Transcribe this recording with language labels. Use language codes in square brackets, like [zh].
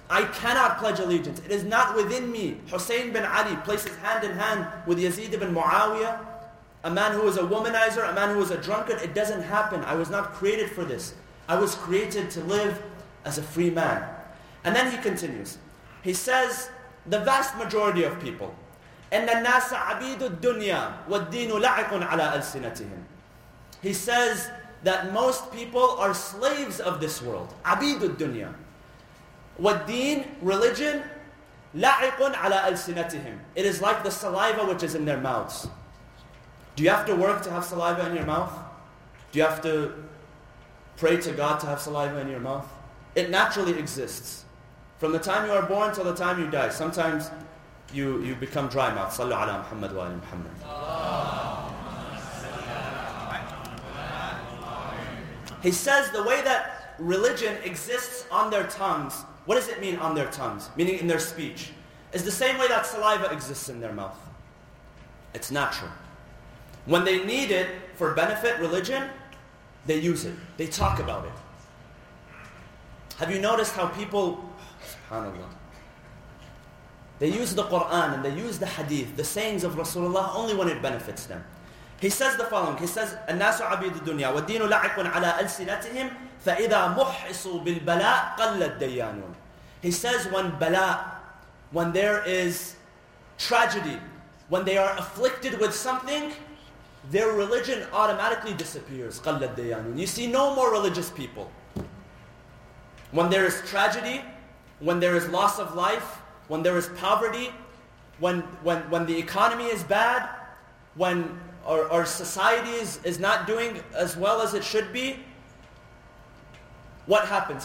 [en] I cannot pledge allegiance. It is not within me. Hussein bin Ali places hand in hand with Yazid ibn Muawiyah, a man who was a womanizer, a man who was a drunkard. It doesn't happen. I was not created for this. I was created to live as a free man. And then he continues. He says, the vast majority of people, [ar] إِنَّ النَّاسَ عَبِيدُ الدُّنْيَا وَالدِّينُ لَعِقٌ عَلَىٰ أَلْسِنَتِهِمْ. [en] He says that most people are slaves of this world. [ar] عَبِيدُ الدُّنْيَا. وَالدِّينُ, religion, لَعِقٌ عَلَىٰ أَلْسِنَتِهِمْ. [en] It is like the saliva which is in their mouths. Do you have to work to have saliva in your mouth? Do you have to pray to God to have saliva in your mouth? It naturally exists. From the time you are born till the time you die. Sometimes you become dry mouth. [ar] صلوا على محمد وآل محمد. [en] He says the way that religion exists on their tongues, what does it mean on their tongues? Meaning in their speech. It's the same way that saliva exists in their mouth. It's natural. When they need it for benefit, religion, they use it. They talk about it. Have you noticed how people, subhanAllah, they use the Qur'an and they use the hadith, the sayings of Rasulullah, only when it benefits them. He says the following. He says, [ar] النَّاسُ عَبِيدُ الدُّنْيَا وَالدِّينُ لَعِقٌ عَلَىٰ أَلْسِنَتِهِمْ فَإِذَا مُحْصُوا بِالْبَلَاءِ قَلَّ الدَّيَّانُونَ. [en] He says when bala, when there is tragedy, when they are afflicted with something, their religion automatically disappears. [ar] قَلَّ الدَّيَّانُونَ. [en] You see no more religious people. When there is tragedy, when there is loss of life, when there is poverty, when the economy is bad, when our society is not doing as well as it should be, what happens?